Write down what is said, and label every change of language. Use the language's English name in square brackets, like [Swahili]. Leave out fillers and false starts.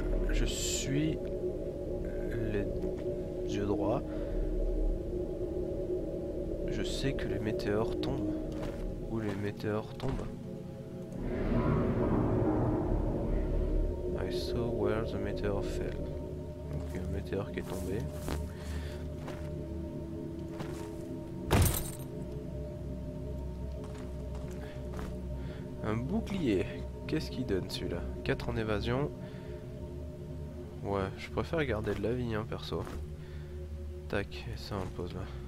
[French] Je suis le dieu droit. Je sais que les météores tombent. Où les météores tombent? [English] I saw where the meteor fell. [French] Donc il y a un météore qui est tombé. Un bouclier, qu'est-ce qu'il donne celui-là? 4 en évasion. Ouais, je préfère garder de la vie, hein, perso. Tac, et ça on le pose là.